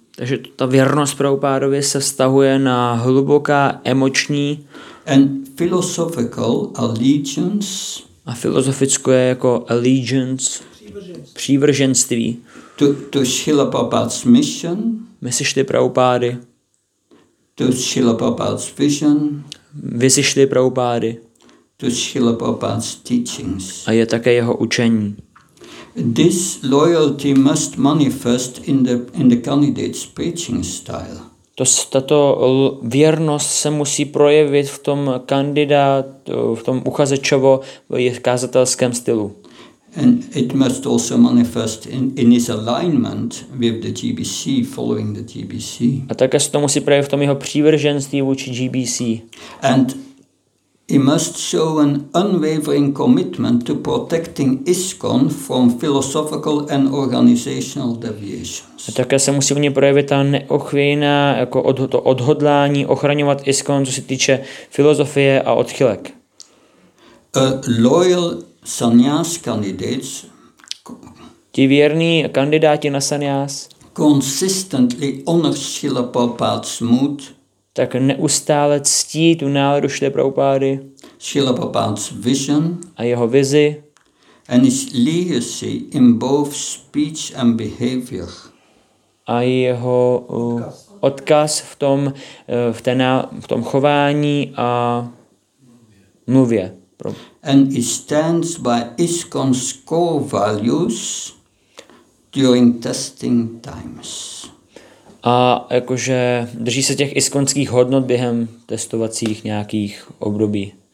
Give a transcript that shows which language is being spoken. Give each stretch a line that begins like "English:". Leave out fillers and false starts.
Czech: Takže ta věrnost Prabhupádovi se vztahuje na hluboká emoční
English: and philosophical allegiance.
Czech: A filozofické je jako allegiance, přívrženství.
English: To Srila Prabhupada's mission.
Czech: Myslíš-li Prabhupády?
English: To Srila Prabhupada's vision.
Czech: Myslíš-li Prabhupády?
English: To Srila Prabhupada's teachings.
Czech: A je také jeho učení.
English: This loyalty must manifest in the candidate's preaching style.
Czech: tato věrnost se musí projevit v tom kandidátu, v tom uchazečovo kázatelském stylu.
English: And it must also manifest in his alignment with the GBC, following the GBC.
Czech: A také se to musí projevit v tom jeho přívrženství vůči GBC.
English: And he must show an unwavering commitment to protecting ISKCON from philosophical and organizational deviations.
Czech: A také se musí v něm projevit ta neochvějná jako to odhodlání ochraňovat ISKCON, co se týče filozofie a odchylek.
English: A loyal sannyas candidates,
Czech: ti věrní kandidáti na sannyas,
English: consistently honor Srila Prabhupada's mood,
Czech: tak neustále ctí tu náladu Srila Prabhupády,
English: Srila Prabhupada's vision
Czech: a jeho vizi,
English: and his legacy in both speech and behavior,
Czech: a jeho odkaz v tom v tom chování a mluvě.
English: And he stands by ISKCON's core values during testing times.
Czech: A jakože drží se těch ISKCONských hodnot během testovacích nějakých období.